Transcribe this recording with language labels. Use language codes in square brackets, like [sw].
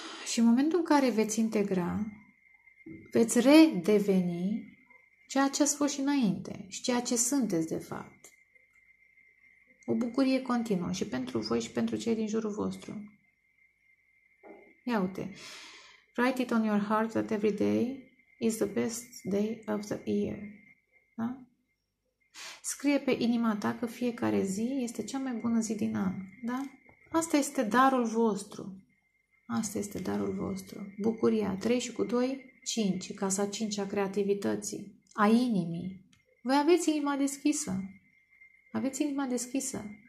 [ro] Și în momentul în care veți integra, veți redeveni ceea ce ați fost și înainte și ceea ce sunteți de fapt. O bucurie continuă și pentru voi și pentru cei din jurul vostru. Ia uite, [en] write it on your heart that every day is the best day of the year. [ro] Da? Scrie pe inima ta că fiecare zi este cea mai bună zi din an. Da? Asta este darul vostru. Asta este darul vostru. Bucuria. 3 și cu 2, 5. Casa 5 a creativității. A inimii. Voi aveți inima deschisă. Aveți inima deschisă.